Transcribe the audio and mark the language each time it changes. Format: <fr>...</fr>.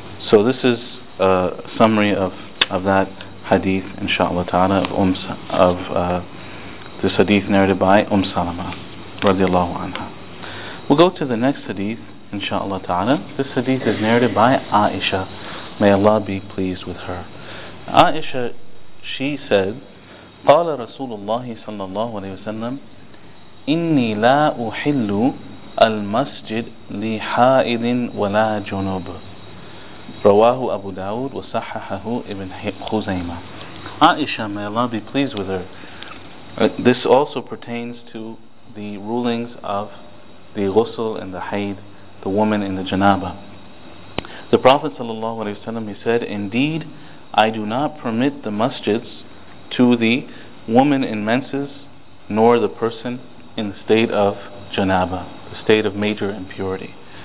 <en>So this is a summary of that hadith, inshaAllah ta'ala, of this hadith narrated by Salama, radiallahu anha. We'll go to the next hadith, inshaAllah ta'ala. This hadith is narrated by Aisha. May Allah be pleased with her. Aisha, she said,</en> <ar>قَالَ رَسُولُ اللَّهِ صَلَّى اللَّهُ عَلَيْهِ وَسَلَّمْ إِنِّي لَا أُحِلُّ الْمَسْجِدْ لِحَائِدٍ وَلَا جُنُوبٍ رَوَاهُ أَبُو دَاوُدْ وَصَحَّحَهُ إِبْنْ خُزَيْمَةً</ar> <en>Aisha, may Allah be pleased with her. This also pertains to the rulings of the ghusl and the hayd, the woman in the janaba. The Prophet ﷺ, he said, indeed, I do not permit the masjids to the woman in menses, nor the person in the state of janaba, the state of major impurity.</en>